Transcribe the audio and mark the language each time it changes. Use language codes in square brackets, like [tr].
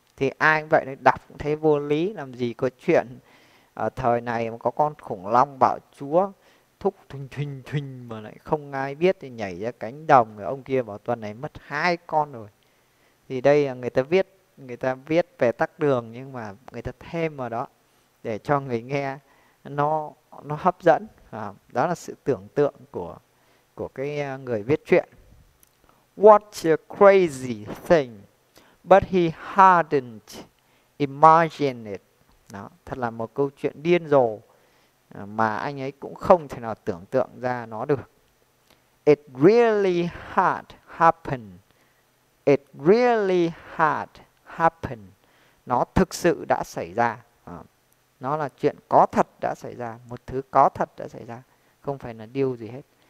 [vi] Thì ai vậy đọc cũng thấy vô lý, làm gì có chuyện ở thời này mà có con khủng long bạo chúa thúc thình thình thình mà lại không ai biết thì nhảy ra cánh đồng, rồi ông kia bảo tuần này mất hai con rồi. Thì đây là người ta viết về tắc đường, nhưng mà người ta thêm vào đó để cho người nghe nó hấp dẫn. À, đó là sự tưởng tượng của cái người viết truyện. [en] What a crazy thing, but he hadn't imagined it. [vi] Đó, thật là một câu chuyện điên rồ mà anh ấy cũng không thể nào tưởng tượng ra nó được. [en] It really had happened. It really had happened. [vi] Nó thực sự đã xảy ra. À, nó là chuyện có thật đã xảy ra, một thứ có thật đã xảy ra, không phải là điều gì hết.